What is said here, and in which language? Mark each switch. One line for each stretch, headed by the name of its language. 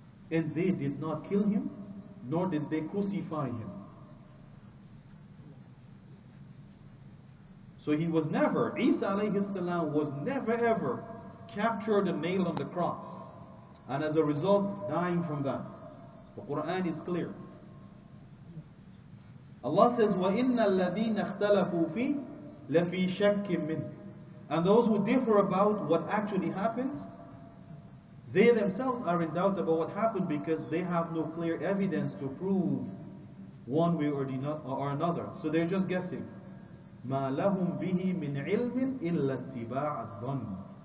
English: And they did not kill him, nor did they crucify him. So he was never, Isa alayhi salam, was never ever captured and nailed on the cross, and as a result, dying from that. The Quran is clear. Allah says,
Arabic: وَإِنَّ الَّذِينَ اخْتَلَفُوا فِيهِ لَفِي شَكٍّ مِّنْهِ.
English: And those who differ about what actually happened, they themselves are in doubt about what happened, because they have no clear evidence to prove one way or another. So they're just guessing.
Arabic: مَا لَهُمْ بِهِ مِنْ عِلْمٍ إِلَّا اتِّبَاعَ الظَّنِّ.